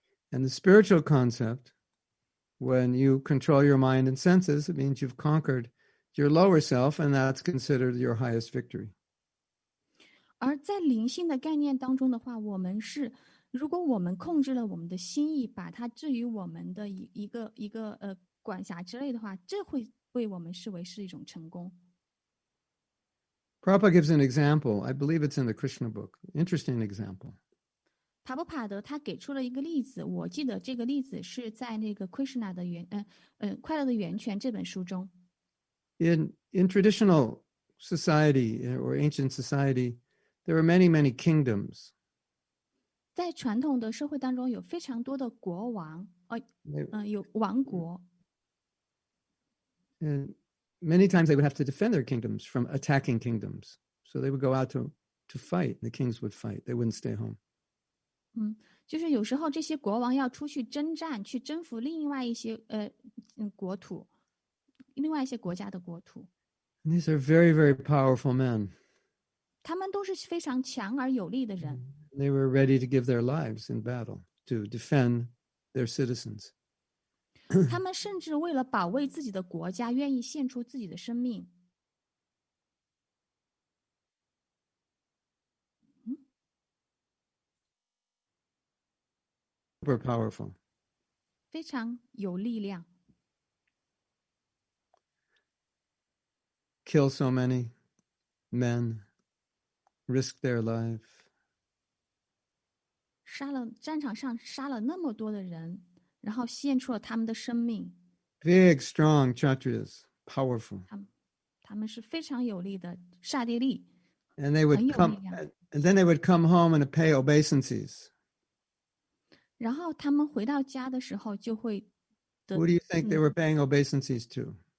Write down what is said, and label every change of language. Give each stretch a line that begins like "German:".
English: And the spiritual concept, when you control your mind and senses, it means you've conquered your lower self, and that's considered your highest victory.
Chinese: 而在灵性的概念当中的话，我们是。如果我们控制了我们的心意，把它置于我们的一个管辖之类的话，这会被我们视为是一种成功。
English: Prabhupada gives an example. I believe it's in the Krishna book. Interesting example.
Chinese: 塔布帕德他给出了一个例子，我记得这个例子是在那个 Krishna 的源，快乐的源泉这本书中。
English: In traditional society or ancient society, there are many, many kingdoms.
Chinese: 在传统的社会当中有非常多的国王，有王国。
English: And many times they would have to defend their kingdoms from attacking kingdoms. So they would go out to fight, and the kings would fight. They wouldn't stay home.
Chinese: 就是有时候这些国王要出去征战，去征服另外一些国土，另外一些国家的国土。
English: And these are very, very powerful men.
Chinese: 他们都是非常强而有力的人。
English: And they were ready to give their lives in battle to defend their citizens.
Chinese: 他们甚至为了保卫自己的国家，愿意献出自己的生命。
English: Super powerful.
Chinese: 非常有力量。
English: Kill so many men, risk their life.
Chinese: 杀了战场上杀了那么多的人，然后献出了他们的生命。
English: Big, strong Kshatriyas, powerful.
Chinese: 他们是非常有力的刹帝利。
English: And they would come, and then they would come home and pay obeisances.
Chinese: 然后他们回到家的时候就会。
English: Who do you think they were paying obeisances to?